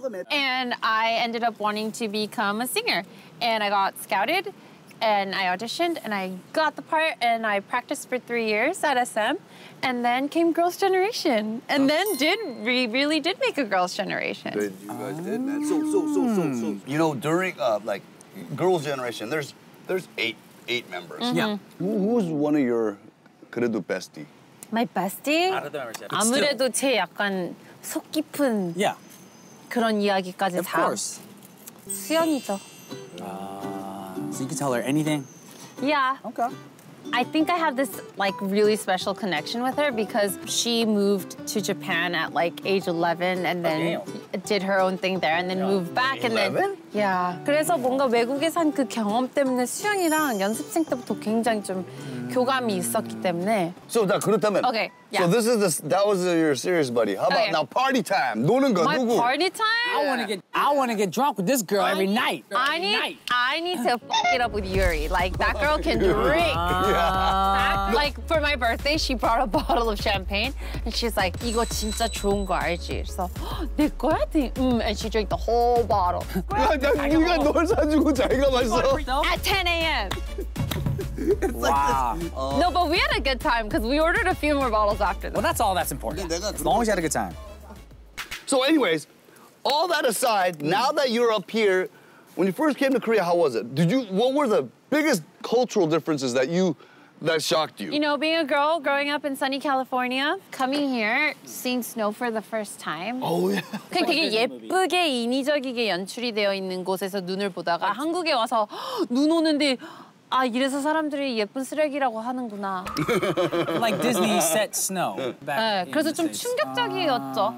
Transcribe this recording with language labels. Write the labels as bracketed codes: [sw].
[en] And I ended up wanting to become a singer. And I got scouted, and I auditioned, and I got the part, and I practiced for 3 years at SM. And then came Girls' Generation. And then we really did make a Girls' Generation. So, you know, during, like, Girls' Generation, there's eight members. Mm-hmm. Yeah. Who's one of your [ko] 그래도 [en] bestie? My bestie? [ko] 아무래도 제 약간 속 깊은 [en] yeah. [ko] 그런 이야기까지 [en] of [ko] 다. [en] Of course. [ko] 수연이죠. [en] So you can tell her anything? Yeah. Okay. I think I have this like really special connection with her because she moved to Japan at like age 11 and then did her own thing there and then moved back 11? And then yeah. [ko] 그래서 뭔가 외국에 산 그 경험 때문에 수영이랑 연습생 때부터 굉장히 좀 교감이 있었기 때문에. [en] So [ko] 나 그렇다면. [en] Okay. Yeah. So this is the that was your serious buddy. How about okay. now party time? [ko] 노는 거 [en] My [ko] 누구? [en] My party time? I want to get drunk with this girl every night. I need to fuck it up with Yuri. Like that girl can drink. Like for my birthday, she brought a bottle of champagne and she's like, [ko] 이거 진짜 좋은 거 알지? [en] So [ko] 내 거야? [en] And she drank the whole bottle. [ko] 야, 네가 널 사주고 자기가 마셔. [en] At 10 a.m. It's wow. Like no, but we had a good time because we ordered a few more bottles after that. Well, that's all that's important. Yeah. As long as you had a good time. So anyways, all that aside, now that you're up here, when you first came to Korea, how was it? Did you, what were the biggest cultural differences that you, that shocked you? You know, being a girl, growing up in sunny California, coming here, seeing snow for the first time. Oh, yeah. [ko] 그냥 되게 예쁘게 인위적이게 연출이 되어 있는 곳에서 눈을 보다가 한국에 와서 눈 오는데 아, 이래서 사람들이 예쁜 쓰레기라고 하는구나. [en] Like Disney set snow. [ko] 네, 그래서 좀 충격적이었죠.